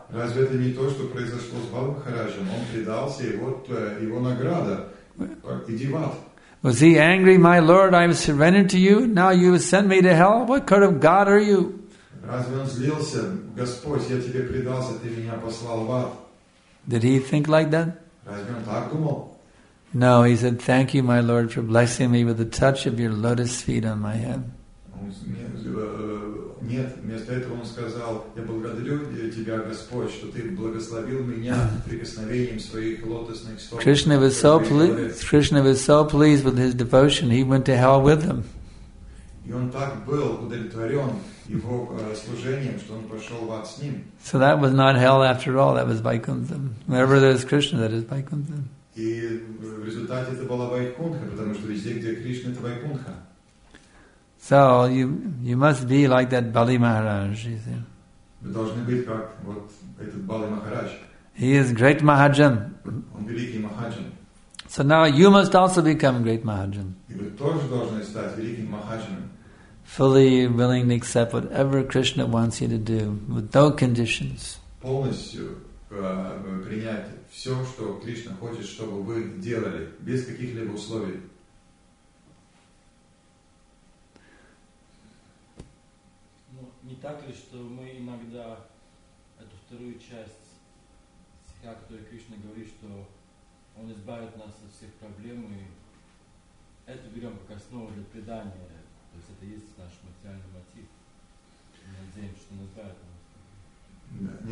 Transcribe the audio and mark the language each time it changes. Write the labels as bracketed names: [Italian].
[Russian] Разве это не то, что произошло с Бали Махараджем? Он предался, и вот его награда. Иди в ад. [English] Was he angry, my Lord, I have surrendered to you, now you have sent me to hell? What kind of God are you? [Russian] Разве он злился? Господь, я тебе предался, ты меня послал в ад. [English] Did he think like that? [Russian] Разве он так думал? [English] No, he said, thank you, my Lord, for blessing me with the touch of your lotus feet on my head. [Russian] Нет, вместо этого он сказал, я благодарю тебя, Господь, что ты благословил меня прикосновением своих лотосных стоп. [English] Krishna was so pleased with his devotion, he went to hell with him. [Russian] И он так был удовлетворен его служением, что он пошел в ад с ним. [English] So that was not hell after all, that was Vaikuntha. Wherever there is Krishna, that is Vaikuntha. [Russian] И в результате это была Вайкунха, потому что везде, где Кришна, это Вайкунха. [English] So you must be like that Bali Maharaj, you see. [Russian] Вы должны быть как вот этот Бали Махарадж. [English] He is great Mahajan. [Russian] Он великий Махаджан. [English] So now you must also become great Mahajan. [Russian] И вы тоже должны стать великим Махаджаном. [English] Fully willing to accept whatever Krishna wants you to do, with no conditions. [Russian] Полностью принять все, что Кришна хочет, чтобы вы делали, без каких-либо условий. Не так ли, что мы иногда эту вторую часть стиха, которую Кришна говорит, что Он избавит нас от всех проблем, и эту берем как основу для предания, то есть это есть наш материальный мотив, и мы надеемся, что Он избавит нас.